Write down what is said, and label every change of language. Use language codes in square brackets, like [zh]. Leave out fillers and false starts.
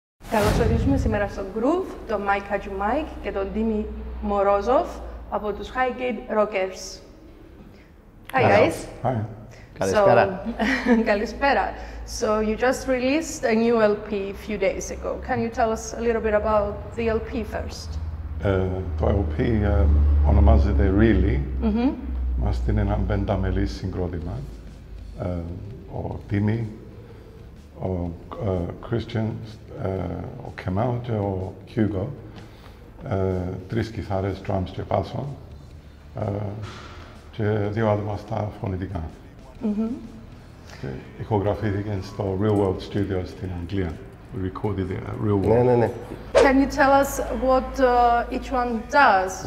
[el] Καλώς ορίζουμε σήμερα στο Groove τον Mike Hadjimike και τον Dimi Morozov από τους Highgate Rockers. [en] Hi guys. [el] Καλησπέρα. Καλησπέρα. [en] So you just released a new LP a few days ago. Can you tell us a little bit about the LP first? [el] Το LP ονομάζεται Really. Μας είναι ένα πενταμελής συγκρότημα. Ο Dimi, ο Christian, ο Kemal και ο Hugo. Τρεις κιθάρες, drums και basso. Και δύο άτομα στα φωνητικά. Ηχογραφήθηκε στο Real World Studio στην Αγγλία. [en] We recorded the Real World. [el] Ναι, ναι, ναι. [en] Can you tell us what each one does?